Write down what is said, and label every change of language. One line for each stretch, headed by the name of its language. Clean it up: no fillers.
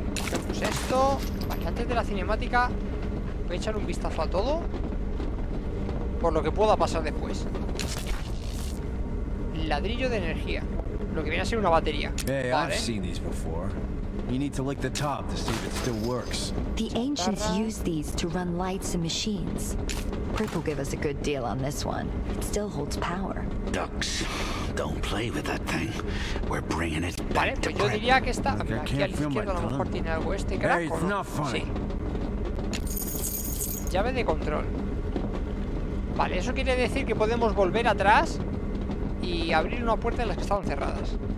Spanish: Cogemos esto. Vale, antes de la cinemática voy a echar un vistazo a todo, por lo que pueda pasar después. Ladrillo de energía, lo que viene a ser una batería.
English: Hey, vale. I've seen these before. You need to lick the top to see if it still works. The ancients used these to run lights and machines. Prick will give us a good deal on this one. It still holds power. Ducks, don't play with that thing. We're bringing it back.
Spanish: Vale, pues yo diría que está aquí a la izquierda, a lo mejor tiene algo este crack, ¿no? Sí. Llave de control. Vale, eso quiere decir que podemos volver atrás y abrir una puerta en las que estaban cerradas.